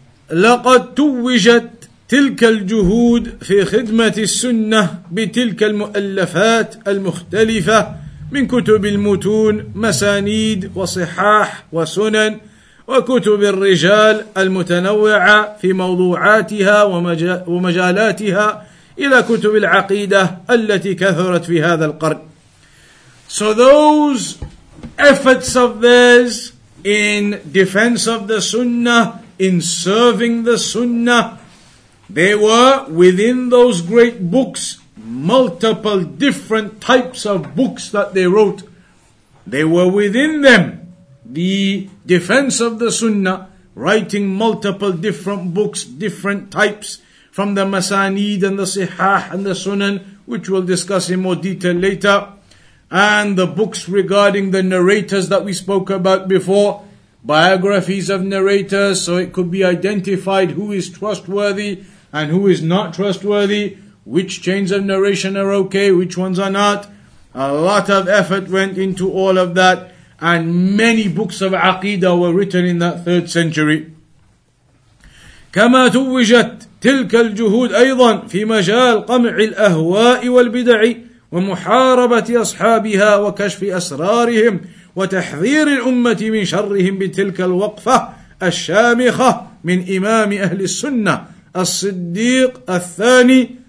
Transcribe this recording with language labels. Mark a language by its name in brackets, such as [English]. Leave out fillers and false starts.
[Arabic] لقد توجت تلك الجهود في خدمة السنة بتلك المؤلفات المختلفة من كتب المتون مسانيد وصحاح وسنن وكتب الرجال المتنوعة في موضوعاتها ومجالاتها إلى كتب العقيدة التي كثرت في هذا القرن. [English] So those efforts of theirs in defense of the sunnah, in serving the sunnah, there were within those great books multiple different types of books that they wrote. They were within them the defense of the sunnah, writing multiple different books, different types, from the Masanid and the Sihah and the Sunan, which we'll discuss in more detail later, and the books regarding the narrators that we spoke about before, biographies of narrators, so it could be identified who is trustworthy and who is not trustworthy, which chains of narration are okay, which ones are not. A lot of effort went into all of that, and many books of Aqidah were written in that third century. [Arabic] كما توجت تلك الجهود أيضا في مجال قمع الأهواء والبدع ومحاربة أصحابها وكشف أسرارهم وتحذير الأمة من شرهم بتلك الوقفة الشامخة من إمام أهل السنة الصديق الثاني